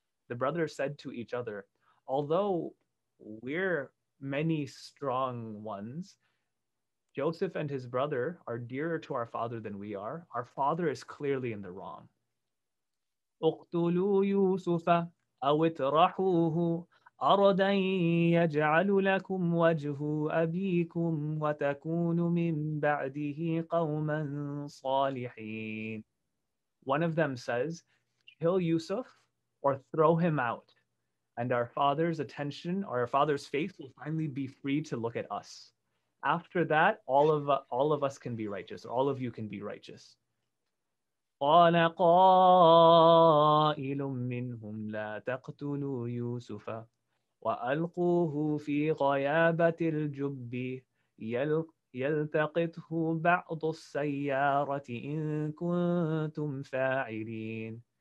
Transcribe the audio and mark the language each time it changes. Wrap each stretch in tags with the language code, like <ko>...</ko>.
<en>The brothers said to each other, although we're many strong ones, Joseph and his brother are dearer to our father than we are. Our father is clearly in the wrong.</en> <ar>اقتلوا يوسف أو اطرحوه أرضا يجعل لكم وجه أبيكم وتكونوا من بعده قوما صالحين.</ar> <en>One of them says, kill Yusuf or throw him out, and our father's attention, or our father's face will finally be free to look at us. After that, all of us can be righteous. All of you can be righteous.</en> <ar>قَالَ قَائِلٌ مِّنْهُمْ لَا تَقْتُلُوا يُوسُفَ وَأَلْقُوهُ فِي غَيَابَةِ الْجُبِّ يَلْتَقِطْهُ بَعْضُ السَّيَّارَةِ إِن كُنتُمْ فَاعِلِينَ.</ar>